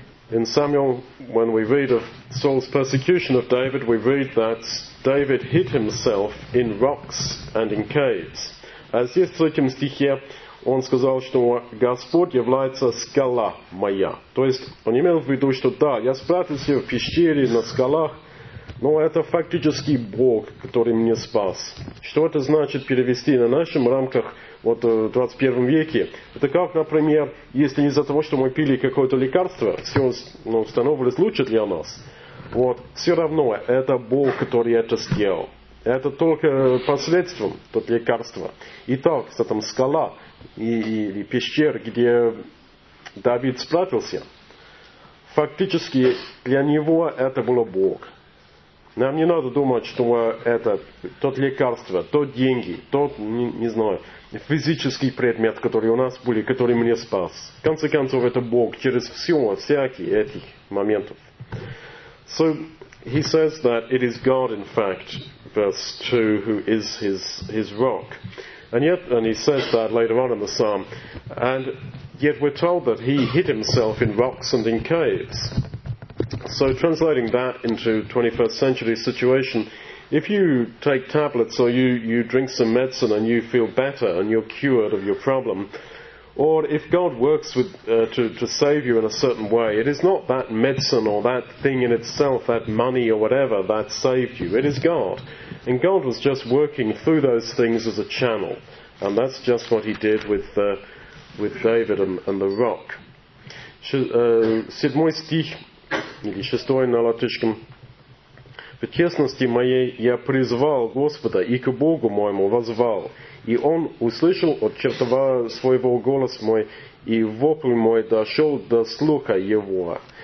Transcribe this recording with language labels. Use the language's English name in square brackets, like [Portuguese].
[English] In Samuel, when we read of Saul's persecution of David, we read that David hid himself in rocks and in caves. [Russian] А здесь, в третьем стихе, он сказал, что Господь является скала моя. То есть, он имел в виду, что да, я спрятался в пещере, на скалах, но это фактически Бог, который меня спас. Что это значит перевести на нашем рамках вот, в 21 веке? Это как, например, если из-за того, что мы пили какое-то лекарство, все ну, становилось лучше для нас, вот, все равно это Бог, который это сделал. Это только посредством тот лекарства. Итак, это там скала и пещера, где Давид спрятался. Фактически для него это было Бог. Нам не надо думать, что это тот лекарство, тот деньги, тот, не знаю, физический предмет, который у нас был, который меня спас. В конце концов, это Бог через все, всякие этих моментов. [English] So, he says that it is God, in fact, verse 2, who is his rock. And yet, and he says that later on in the psalm, and yet we're told that he hid himself in rocks and in caves. So translating that into 21st century situation, if you take tablets or you drink some medicine and you feel better and you're cured of your problem, or if God works with to save you in a certain way, it is not that medicine or that thing in itself, that money or whatever, that saved you. It is God. And God was just working through those things as a channel. And that's just what he did with David and the rock. [Russian] Седьмой стих, или шестой на латышском. «В тесности моей я призвал Господа, и к Богу моему воззвал». И он услышал от чертова своего голос мой, и вопль мой дошел до слуха его.